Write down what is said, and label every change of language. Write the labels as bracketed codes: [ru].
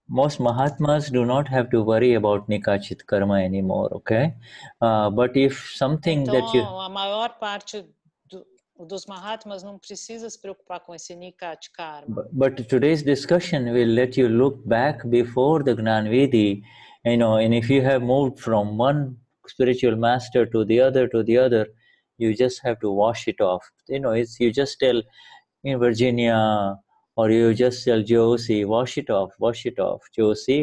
[en] Most Mahatmas do not have to worry about Nikachit Karma anymore, okay? But if something [pt] então, [en] that you. [pt] Então, a maior parte dos Mahatmas não precisa se preocupar com esse Nikat Karma. [en] But today's discussion will let you look back before the Gnan Vidhi, you know, and if you have moved from one spiritual master to the other, you just have to wash it off. You know, it's you just tell in Virginia, or you just tell Josie, wash it off, Josie.